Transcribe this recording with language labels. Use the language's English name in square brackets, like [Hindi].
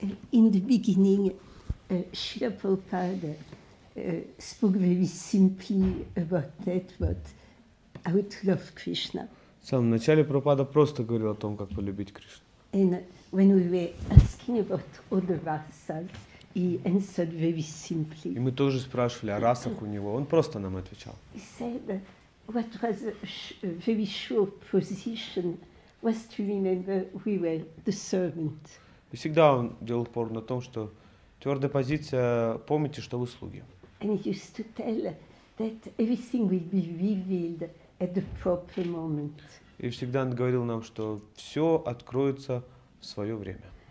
[English] In the beginning, Srila Prabhupada spoke very simply about that, but how to love Krishna. [Russian] В самом начале Прабхупада просто говорил о том, как полюбить Кришну. [English] And when we were asking about other rasas, he answered very simply. [Russian] И мы тоже спрашивали о расах у него, он просто нам отвечал. [English] He said what was a very sure position was to remember we were the servant. [Russian] И всегда он делал упор на том, что твердая позиция, помните, что вы слуги. [English] And he used to tell that everything will be revealed at the proper moment. [Russian] И всегда он говорил нам, что все откроется в свое время.